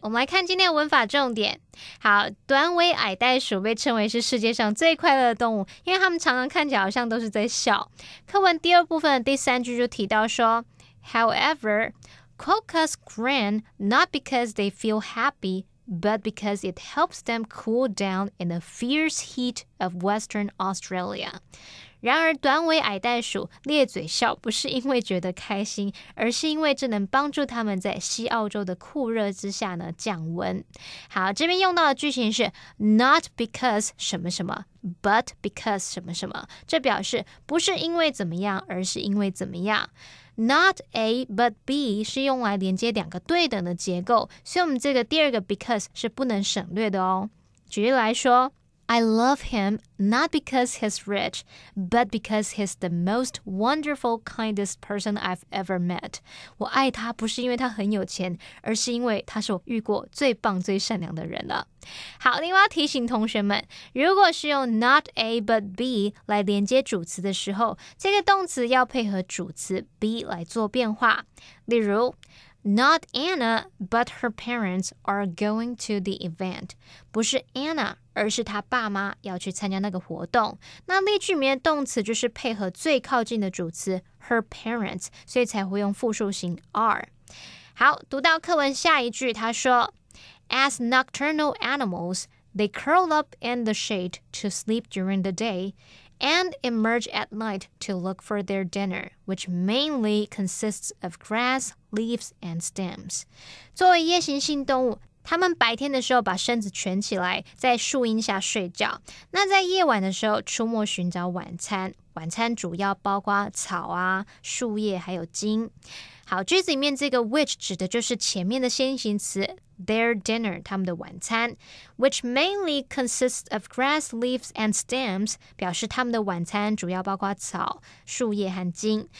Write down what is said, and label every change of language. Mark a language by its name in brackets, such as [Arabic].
[Chinese] 我们来看今天的文法重点。好，短尾矮袋鼠被称为是世界上最快乐的动物，因为它们常常看起来好像都是在笑。课文第二部分的第三句就提到说 ，However。 [English] Quokkas grin not because they feel happy, but because it helps them cool down in the fierce heat of Western Australia. [Chinese] 然而短尾矮袋鼠咧嘴笑不是因为觉得开心，而是因为这能帮助他们在西澳洲的酷热之下呢降温。好，这边用到的句型是 [English] not because [Chinese] 什么什么。 [English] But because [Chinese] 什么什么，这表示不是因为怎么样，而是因为怎么样。 [English] Not A, but B [Chinese] 是用来连接两个对等的结构，所以我们这个第二个 because 是不能省略的哦。举例来说 [English] ，I love him not because he's rich, but because he's the most wonderful, kindest person I've ever met. [Chinese] 我爱他不是因为他很有钱，而是因为他是我遇过最棒、最善良的人了。好，另外要提醒同学们，如果是用 [English] not A but B [Chinese] 来连接主词的时候，这个动词要配合主词 B 来做变化。例如 ， [English] Not Anna but her parents are going to the event， [Chinese] 不是 Anna， 而是她爸妈要去参加那个活动。那例句里面的动词就是配合最靠近的主词 [English] her parents， [Chinese] 所以才会用复数形 are。好，读到课文下一句，他说。 [English] As nocturnal animals, they curl up in the shade to sleep during the day and emerge at night to look for their dinner, which mainly consists of grass, leaves, and stems. [Chinese] 作为夜行性动物，它们白天的时候把身子蜷起来，在树荫下睡觉。那在夜晚的时候，出没寻找晚餐。晚餐主要包括草啊、树叶还有茎。好，句子里面这个 which 指的就是前面的先行词 [English] their dinner [Chinese] 他们的晚餐 ， [English] which mainly consists of grass leaves and stems [Chinese] 表示他们的晚餐主要包括草、树叶和茎。